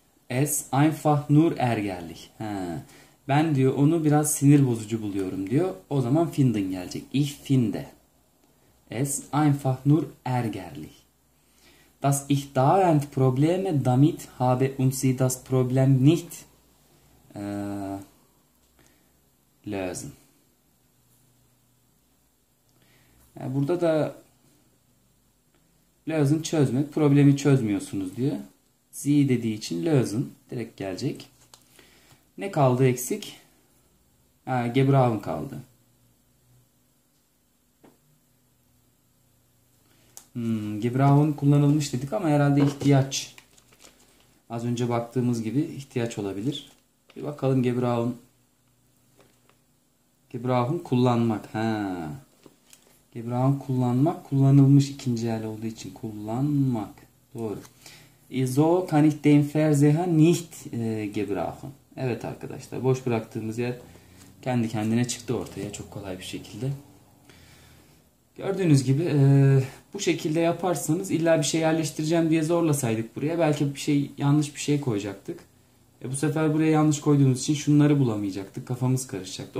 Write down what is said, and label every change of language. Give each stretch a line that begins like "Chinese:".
German: Es einfach nur ärgerlich. Ha.
Turkish: Ben diyor onu biraz sinir bozucu buluyorum diyor. O zaman finden gelecek.
German: Ich finde. Es einfach nur ärgerlich. Das ich dauernd Probleme damit habe und sie das Problem nicht lösen.
Turkish: Yani burada da lösen çözmek. Problemi çözmüyorsunuz diyor. Z dediği için lösen direkt gelecek. Ne kaldı eksik? Ha, gebrauchen kaldı. Gebrauchen kullanılmış dedik ama herhalde ihtiyaç. Az önce baktığımız gibi ihtiyaç olabilir. Bir bakalım gebrauchen. Gebrauchen kullanmak. Ha. Gebrauchen kullanmak kullanılmış ikinci el olduğu için kullanmak. Doğru.
German: So kann ich den Versen nicht gebrauchen.
Turkish: Evet arkadaşlar, boş bıraktığımız yer kendi kendine çıktı ortaya çok kolay bir şekilde. Gördüğünüz gibi bu şekilde yaparsanız illa bir şey yerleştireceğim diye zorlasaydık buraya belki bir şey yanlış bir şey koyacaktık. Bu sefer buraya yanlış koyduğunuz için şunları bulamayacaktık. Kafamız karışacaktı.